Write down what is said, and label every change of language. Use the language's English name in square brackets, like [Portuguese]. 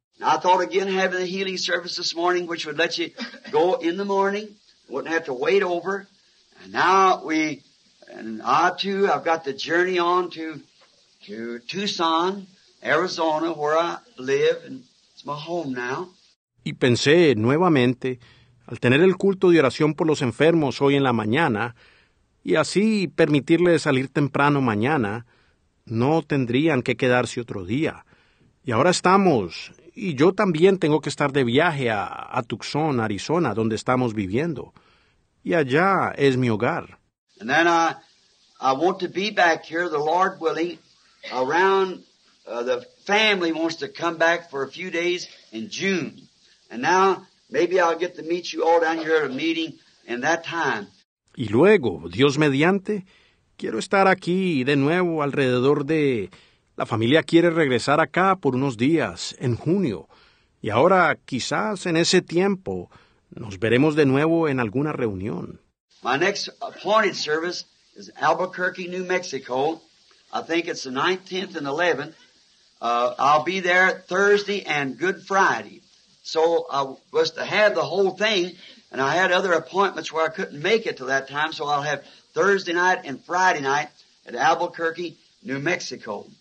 [English] Now, I thought again having the healing service this morning, which would let you go in the morning, wouldn't have to wait over. And now we, and I too, I've got the journey on to Tucson, Arizona, where I live, and it's my home now. [Spanish] Y pensé nuevamente, al tener el culto de oración por los enfermos hoy en la mañana, y así permitirle salir temprano mañana, no tendrían que quedarse otro día. Y ahora estamos, y yo también tengo que estar de viaje a Tucson, Arizona, donde estamos viviendo. Y allá es mi hogar. [English] And then I want to be back here, the Lord willing, around the family wants to come back for a few days in June. And now maybe I'll get to meet you all down here at a meeting in that time. [Spanish] Y luego, Dios mediante, quiero estar aquí de nuevo alrededor de... La familia quiere regresar acá por unos días en junio. Y ahora, quizás en ese tiempo, nos veremos de nuevo en alguna reunión. [English] My next appointed service is Albuquerque, New Mexico. I think it's the 9th, 10th, and 11th. I'll be there Thursday and Good Friday. So I was to have the whole thing, and I had other appointments where I couldn't make it till that time, so I'll have Thursday night and Friday night at Albuquerque, New Mexico.